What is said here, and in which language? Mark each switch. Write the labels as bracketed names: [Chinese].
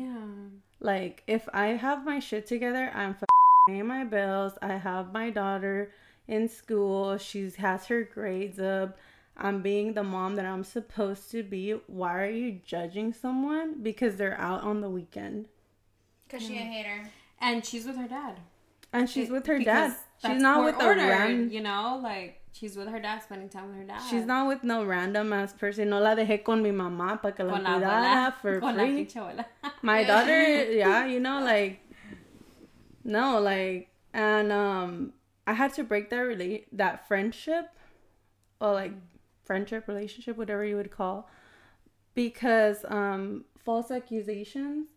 [English] Yeah, like, if I have my shit together, I'm paying my bills, I have my daughter in school, she has her grades up, I'm being the mom that I'm supposed to be. Why are you judging someone because they're out on the weekend? Because she a hater. And she's with her dad. And she's with her dad. She's not with a random, you know, like, she's with her dad, spending time with her dad. She's not with no random ass person. [Spanish] No la dejé con mi mamá para que la cuidara [English] for free. My daughter, yeah, you know, like, no, like, and I had to break that that friendship, or like, friendship, relationship, whatever you would call, because false accusations.